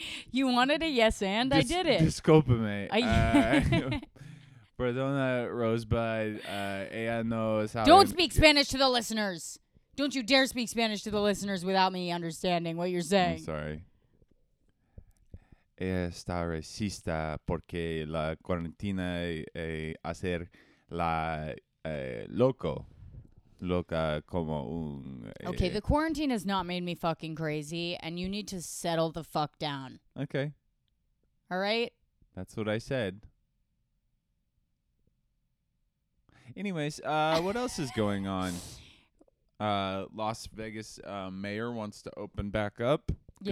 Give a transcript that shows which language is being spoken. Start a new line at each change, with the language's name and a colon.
English: You wanted a yes and? I did it.
Spanish: Discúlpame. Perdona, Rosebud. Ella no sabe.
English: Don't speak Spanish to the listeners. Don't you dare speak Spanish to the listeners without me understanding what you're saying. I'm sorry.
Spanish: Ella está racista porque la cuarentena hace la loco. Loca como un...
English: Okay, the quarantine has not made me fucking crazy, and you need to settle the fuck down. Okay. All right? That's what I said. Anyways, what else is going on? Las Vegas mayor wants to open back up. Good